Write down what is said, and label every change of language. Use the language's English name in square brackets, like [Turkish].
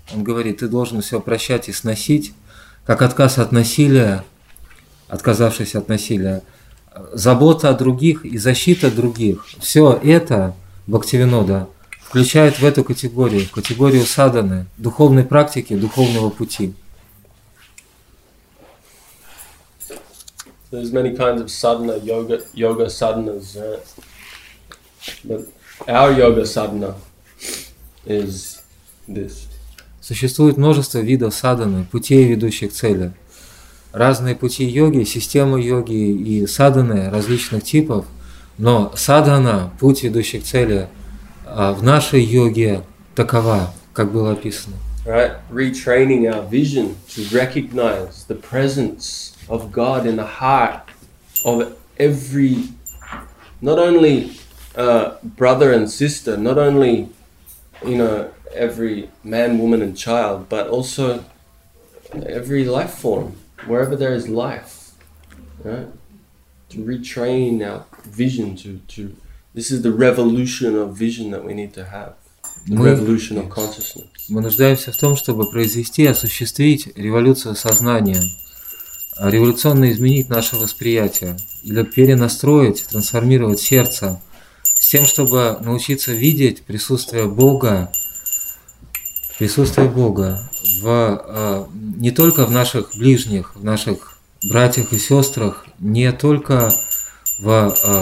[Russian] Он говорит, ты должен все прощать и сносить, как отказ от насилия, отказавшись от насилия. Забота о других и защита других, все это Бхактивинода включает в эту категорию, в категорию садханы, духовной практики, духовного пути. [English] There's many kinds of sadhana, yoga sadhanas, but our yoga sadhana is this. [Russian] Существует множество видов садханы, путей, ведущих к цели. Разные пути йоги, системы йоги и садханы различных типов, но садхана, путь, ведущий к цели, в нашей йоге такова, как было описано. [English] Right, retraining our vision to recognize the presence of God in the heart of every, not only brother and sister, not only, you know, every man, woman and child, but also every life form. Wherever there is life, right? To retrain our vision to this is the revolution of vision that we need to have. The revolution of consciousness. [Russian] Мы нуждаемся в том, чтобы произвести, осуществить революцию сознания, революционно изменить наше восприятие или перенастроить, трансформировать сердце с тем, чтобы научиться видеть присутствие Бога не только в наших ближних, в наших братьях и сестрах, не только в